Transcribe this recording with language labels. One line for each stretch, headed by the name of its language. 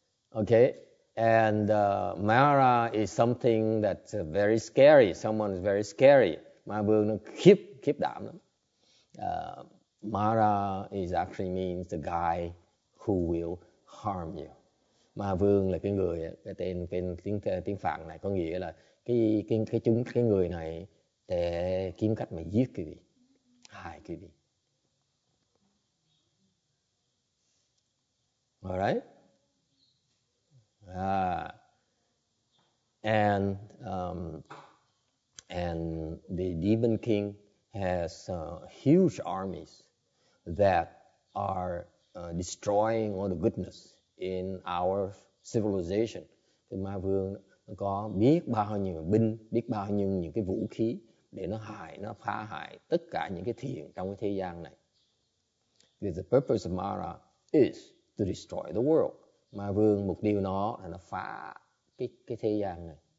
English: Okay, and Mara is something that's very scary. Someone is very scary.
Vietnamese: Ma Vương nó khiếp đảm lắm.
English: Mara is actually means the guy who will harm you.
Vietnamese: Ma Vương là cái người, cái tên, tiếng Phạn này có nghĩa là cái người này để kiếm cách mà giết quý vị, hại quý vị.
English: Alright. And the Demon King has huge armies that are destroying all the goodness in our civilization.
Vietnamese: Thì Ma Vương có biết bao nhiêu binh, biết bao nhiêu những cái vũ khí để nó hại, nó phá hại tất cả những cái thiện trong cái thế gian này.
English: The purpose of Mara is to destroy the world.
Vietnamese: Ma Vương mục tiêu nó là nó phá cái thế gian này.